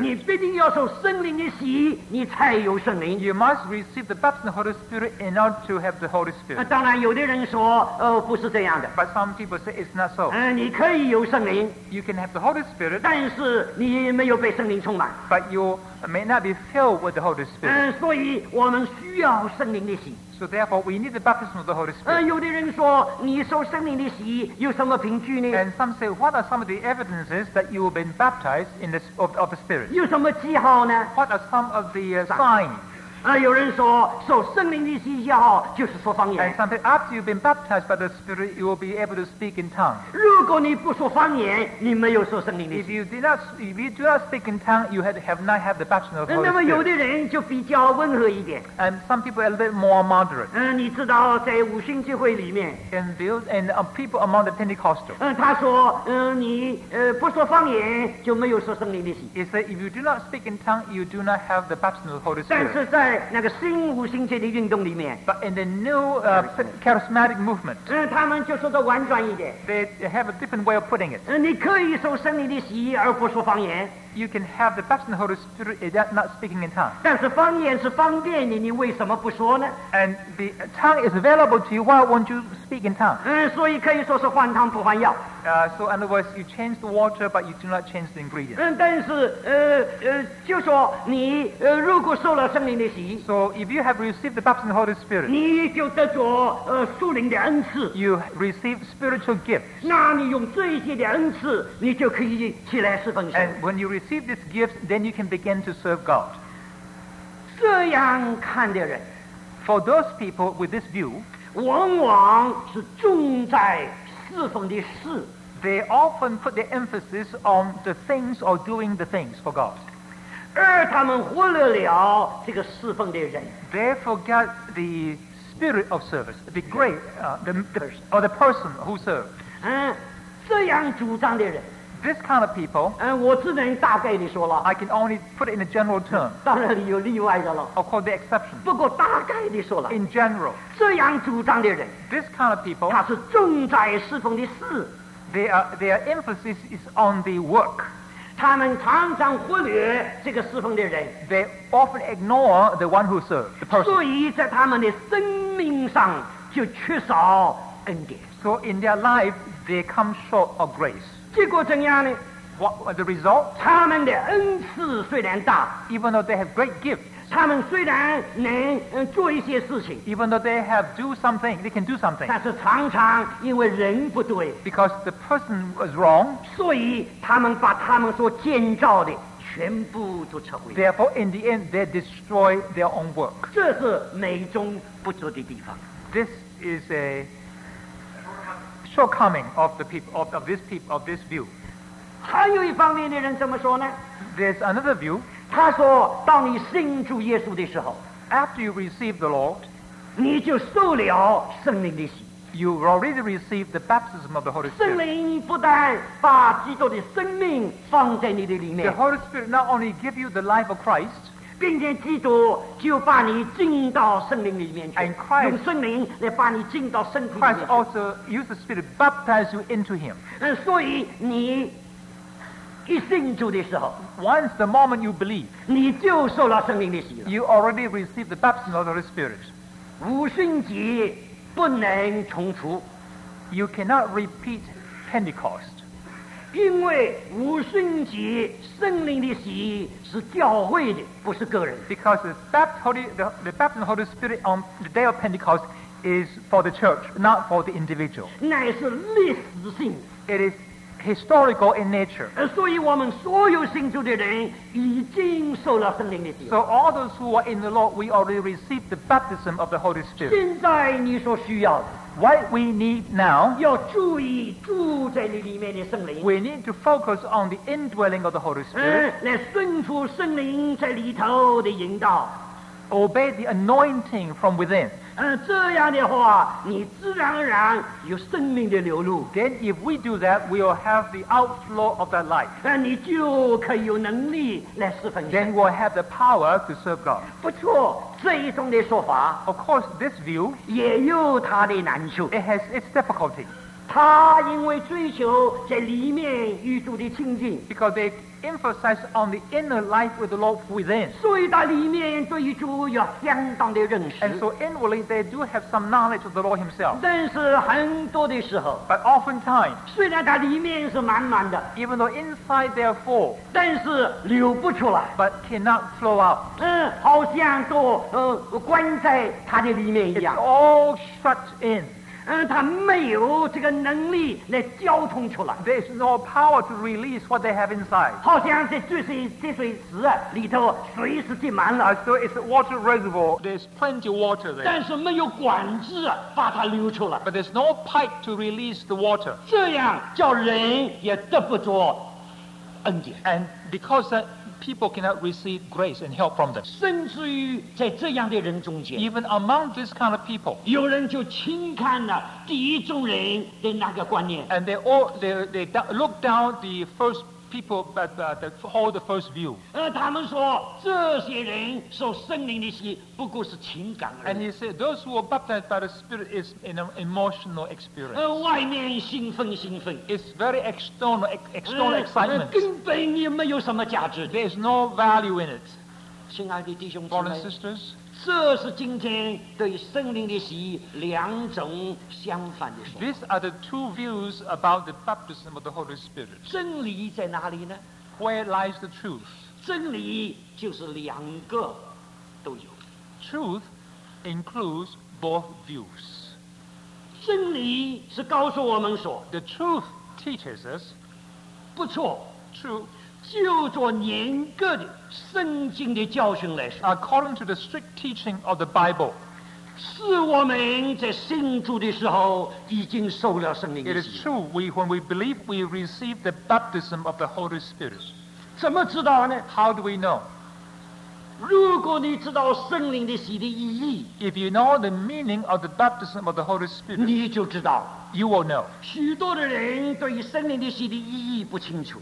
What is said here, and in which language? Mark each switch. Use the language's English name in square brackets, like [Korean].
[Chinese] 你必定要受圣灵的洗，你才有圣灵。 [English] You must receive the baptism of the Holy Spirit in order to have the Holy Spirit. [Chinese] 当然，有的人说，不是这样的。 [English] But some people say it's not so. [Chinese] 你可以有圣灵。 [English] You can have the Holy Spirit. [Chinese] 但是你没有被圣灵充满。 [English] But you may not be filled with the Holy Spirit. [Chinese] 所以我们需要圣灵的洗。 [English] So therefore, we need the baptism of the Holy Spirit. [Chinese] 有的人说，你受圣灵的洗有什么凭据呢 [English] ？And some say, what are some of the evidences that you have been baptized in this of the Spirit? [Chinese] 有什么记号呢 [English] ？What are some of the signs? [Chinese] 有人说，受圣灵的洗记号就是说方言。 [English] And some say, after you've been baptized by the Spirit, you will be able to speak in tongues. [Chinese] 如果你不说方言，你没有受圣灵的洗。 [English] If you do not speak in tongues, you have not had the baptism of the Holy Spirit. [Chinese] 那么有的人就比较温和一点。 [English] And some people are a little bit more moderate. [Chinese] 你知道，在五旬聚会里面。 [English] And people among the Pentecostals. [Chinese] 他说，你不说方言就没有受圣灵的洗。 [English] He said, if you do not speak in tongues, you do not have the baptism of the Holy Spirit. [Chinese] 但是在在那个新五星界的运动里面。 [English] But in the new charismatic movement. [Chinese] 他们就说的婉转一点。 [English] They have a different way of putting it. [Chinese] 你可以受圣灵的洗礼而不说方言。 [English] You can have the baptism of the Holy Spirit without not speaking in tongues. [Chinese] 但是方言是方便你，你为什么不说呢？ [English] And the tongue is available to you. Why won't you speak in tongues? [Chinese] 所以可以说是换汤不换药。 [English] So in other words, you change the water, but you do not change the ingredients. [Chinese] 但是就说你如果受了圣灵的洗礼， [English] so if you have received the baptism of the Holy Spirit, [Chinese] 你就得着属灵的恩赐。 [English] You receive spiritual gifts. [Chinese] 那你用这些的恩赐，你就可以起来侍奉神。 [English] And when you receive this gift, then you can begin to serve God. [Chinese] 这样看的人， [English] for those people with this view, [Chinese] 往往是重在。 [English] They often put their emphasis on the things or doing the things for God. They forget the spirit of service, the great, the person who served. [Chinese] 这样主张的人, [English] this kind of people, [Chinese] 我只能大概地说了, [English] I can only put it in a general term. [Chinese] 当然有例外的了, [English] of course, the exception. [Chinese] 不过大概地说了, [English] in general, [Chinese] 这样主张的人, [English] this kind of people, [Chinese] 他是重在侍奉的事, [English] their emphasis is on the work. [Chinese] 他们常常忽略这个侍奉的人, [English] they often ignore the one who serves, the person. [Chinese] 所以在他们的生命上就缺少恩典, [English] so in their life, they come short of grace. [Chinese] 结果怎样呢? [English] What was the result? [Chinese] 他们的恩赐虽然大, [English] even though they have great gifts, [Chinese] 他们虽然能做一些事情, [English] even though they have do something, they can do something, [Chinese] 但是常常因为人不对, [English] because the person was wrong, [Chinese] 所以他们把他们所建造的全部都拆毁, [English] therefore in the end they destroy their own work. [Chinese] 这是美中不足的地方, [English] this is aShortcoming of the people of this people of this view. [Chinese] 还有一方面的人怎么说呢? [English] There's another view. [Chinese] 他说，当你信主耶稣的时候， [English] after you receive the Lord, [Chinese] 你就受了圣灵的洗。 [English] You already received the baptism of the Holy Spirit. [Chinese] 圣灵不但把基督的生命放在你的里面。 [English] The Holy Spirit not only give you the life of Christ. [Chinese] 并且基督就把你进到圣灵里面去 [English] and Christ, [Chinese] 用圣灵来把你进到身体里面 [English] Christ also used the Spirit to baptize you into him [Chinese] 所以你一信主的时候 [English] once the moment you believe [Chinese] 你就受了圣灵的洗礼 [English] you already received the baptism of the Holy Spirit [Chinese] 五旬节不能重复 [English] you cannot repeat Pentecost [Chinese] 因为五旬节圣灵的洗礼是教会的，不是个人。 [English] Because the baptism of the Holy Spirit on the day of Pentecost is for the church, not for the individual. [Chinese] 乃是历史性。 [English] It is historical in nature. [Chinese] 所以我们所有信主的人已经受了圣灵的洗礼。 [English] So all those who are in the Lord, we already received the baptism of the Holy Spirit. [Chinese] 现在你所需要的。 [English] What we need now, [Chinese] 要注意住在你里面的圣灵。 [English] We need to focus on the indwelling of the Holy Spirit. [Chinese] 来顺服圣灵在里头的引导。 [English] Obey the anointing from within. [Chinese] 这样的话，你自然而然有生命的流露。 [English] Then if we do that, we will have the outflow of that life. [Chinese] 你就可以有能力来侍奉神。 [English] Then we'll have the power to serve God. [Chinese] 不错，这一种的说法。 [English] Of course, this view [Chinese] 也有它的难处。 [English] It has its difficulty. [Chinese] 他因为追求在里面与主的亲近。 [English] Because they emphasize on the inner life with the Lord within. [Chinese] 所以在里面对于主有相当的认识。 [English] And so inwardly they do have some knowledge of the Lord himself. [Chinese] 但是很多的时候。 [English] But oftentimes. [Chinese] 虽然在里面是满满的。 [English] Even though inside they are full. [Chinese] 但是流不出来。 [English] But cannot flow out. [Chinese] 好像都关在他的里面一样。 [English] It's all shut in. [Chinese] 他没有这个能力来交通出来。 [English] There is no power to release what they have inside. [Chinese] 好像这水池里头水是进满了。 [English] So it's a water reservoir. There's plenty of water there. [Chinese] 但是没有管子把它流出来。 [English] But there's no pipe to release the water. [Chinese] 这样叫人也得不着恩典。 [English] And because that people cannot receive grace and help from them. [Chinese] 甚至于在这样的人中间 [English] even among this kind of people, [Chinese] 有人就轻看了第一种人的那个观念 [English] and they look down the first people that hold the first view. [Chinese] 他们说这些人受圣灵的洗不过是情感而已。 [English] And he said those who are baptized by the Spirit is an emotional experience. [Chinese] 外面兴奋兴奋。 [English] It's very external excitement. [Chinese] 根本也没有什么价值。 [English] There's no value in it. [Chinese] 亲爱的弟兄姊妹。 [English] Brothers and sisters. [Chinese] 这是今天对圣灵的洗两种相反的说法。 [English] These are the two views about the baptism of the Holy Spirit. [Chinese] 真理在哪里呢？ [English] Where lies the truth? [Chinese] 真理就是两个都有。 [English] Truth includes both views. [Chinese] 真理是告诉我们说， [English] The truth teaches us. [Chinese] 不错。 [English] True. [Chinese] 就做严格的圣经的教训来说 [English] According to the strict teaching of the Bible [Chinese] 是我们在信主的时候已经受了圣灵的洗 [English] It is true when we believe we receive the baptism of the Holy Spirit [Chinese] 怎么知道呢 [English] How do we know [Chinese] 如果你知道圣灵的洗的意义 [English] If you know the meaning of the baptism of the Holy Spirit [Chinese] 你就知道 [English] You will know. [Chinese] 许多的人对于圣灵的洗的意义不清楚。